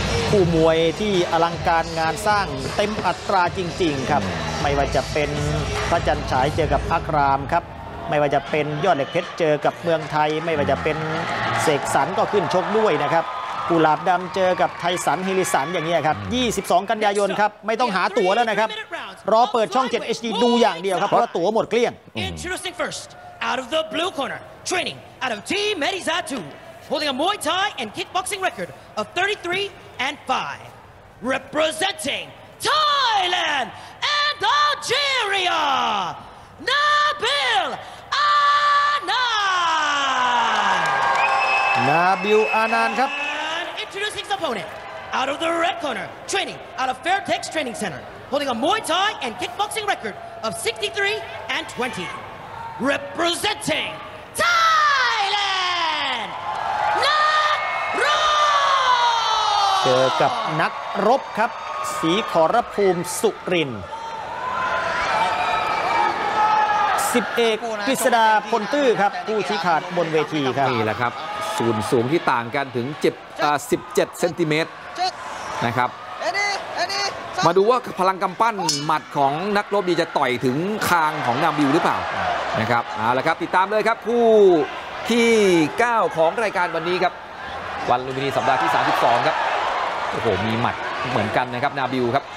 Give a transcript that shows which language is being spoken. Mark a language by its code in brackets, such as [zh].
[th] คู่มวยที่อลังการงานสร้างเต็มอัตราจริงๆครับไม่ว่าจะเป็นพระจันทร์ฉายเจอกับพระรามครับไม่ว่าจะเป็นยอดเหล็กเพชรเจอกับเมืองไทยไม่ว่าจะเป็นเสกสรรก็ขึ้นชกด้วยนะครับกูหลาบดำเจอกับไทสันฮิริสันอย่างนี้ครับ22กันยายนครับไม่ต้องหาตั๋วแล้วนะครับรอเปิดช่อง 7 HD ดูอย่างเดียวครับเพราะตั๋วหมดเกลี้ยง [en] Introducing first out of the blue corner training out of Team Medizatu holding a Muay Thai and kickboxing record of 33 and 5 representing Thailand and Algeria Nabil Anand [th] Nabil Anand ครับ [en] Sixth opponent, out of the red corner, training out of Fairtex Training Center, holding a Muay Thai and kickboxing record of 63 and 20, representing Thailand, Nak Rop. [th] เจอกับนักรบครับศรีขอรภูมิสุรินทร์สิบเอกกฤษดาพลตื้อครับผู้ชี้ขาดบนเวทีครับ นี่แหละครับส่วนสูงที่ต่างกันถึง17เซนติเมตรนะครับมาดูว่าพลังกำปั้นหมัดของนักรบดีจะต่อยถึงคางของนาบิวหรือเปล่านะครับเอาละครับติดตามเลยครับผู้ที่9ของรายการวันนี้ครับวันลุมพินีสัปดาห์ที่32ครับโอ้โหมีหมัดเหมือนกันนะครับนาบิวครับ